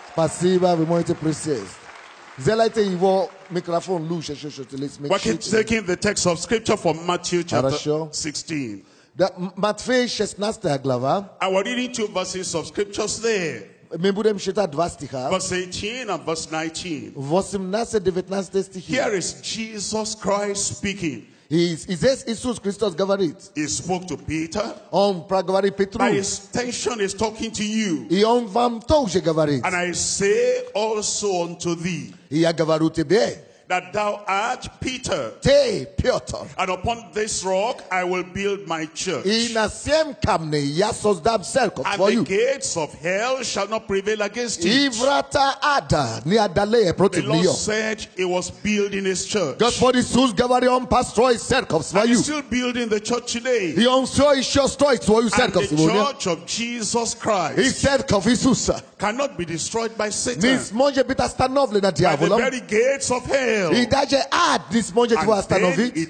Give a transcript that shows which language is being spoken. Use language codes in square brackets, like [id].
[ru] Спасибо, вы можете присесть. Сделайте его микрофон лучше, чтобы лиц мечтать. [en] We're taking the text of scripture from Matthew chapter 16. [ru] Матфея 16 глава. [en] I will read two verses of scriptures there. [ru] Мы будем читать два стиха. [en] Verse 18 and verse 19. [ru] 18-19 стихи. [en] Here is Jesus Christ speaking. [ru] Здесь Иисус Христос говорит. [en] He spoke to Peter. [ru] Он проговорил Петру. [en] By extension, he's talking to you. [ru] И он вам тоже говорит. [en] And I say also unto thee. [ru] И я говорю тебе. [en] That thou art Peter. [ru] Ты Петр. [en] And upon this rock I will build my church. [ru] И на сем камне я создам церковь [en] and for you. And the gates of hell shall not prevail against it. [ru] И врата ада не одолеют против нее. [en] The Lord said he was building his church. [ru] Господь Иисус говорит, он построит церковь [en] for you. And still building the church today. [ru] И он все еще строит свою церковь сегодня. [en] And the church of Jesus Christ. [ru] И церковь Иисуса. [en] Cannot be destroyed by Satan. [ru] Не сможет быть остановлена дьяволом. [en] By the very gates of hell. [ru] И даже ад не сможет его остановить.